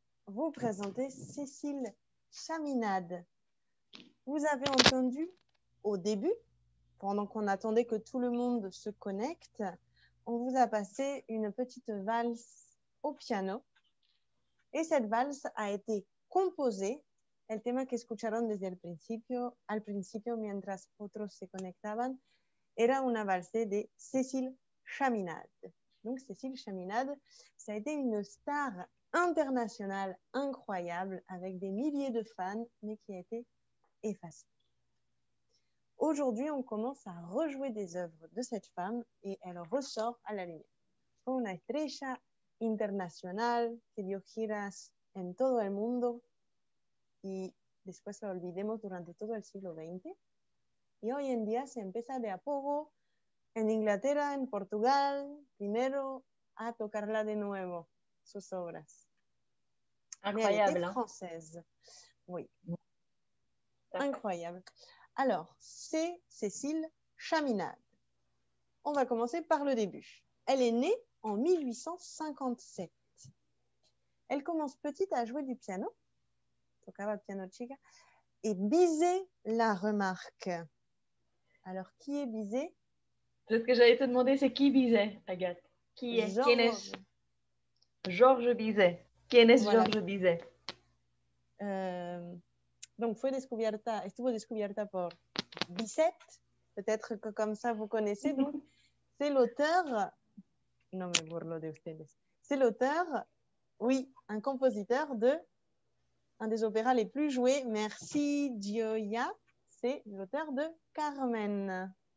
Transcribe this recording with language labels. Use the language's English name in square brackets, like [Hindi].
[French] Vous présenter Cécile Chaminade. Vous avez entendu au début, pendant qu'on attendait que tout le monde se connecte, on vous a passé une petite valse au piano. Et cette valse a été composée. [Spanish] El tema que escucharon desde el principio, al principio, mientras otros se conectaban, era una valse de Cécile Chaminade. [French] Donc, Cécile Chaminade, ça a été une star internationale incroyable avec des milliers de fans, mais qui a été effacée. Aujourd'hui, on commence à rejouer des œuvres de cette femme et elle ressort à la lumière. [Spanish] Fue una estrella internacional que dio giras en todo el mundo. Y después lo olvidemos durante todo el siglo XX. Y hoy en día se empieza de a poco en Inglaterra, en Portugal, primero a tocarla de nuevo, sus obras. [French] Incroyable. Es française. Oui. Incroyable. Alors, c'est Cécile Chaminade. On va commencer par le début. Elle est née en 1857. Elle commence petite à jouer du piano. [Spanish] Tocaba piano chica. [French] Et Bizet la remarque. Alors, qui est Bizet? C'est ce que j'allais te demander, c'est qui Bizet, Agathe? Qui est Georges? Georges Bizet. Qui est voilà. Georges Bizet? [Spanish] Donc, fue descubierta, estuvo descubierta por Bizet. [French] Peut-être que comme ça, vous connaissez. Donc, c'est l'auteur. Non, mais [Spanish] burlo de ustedes. [French] C'est l'auteur, oui, un compositeur de. Un des opéras les plus joués, merci Gioia, c'est l'auteur de Carmen.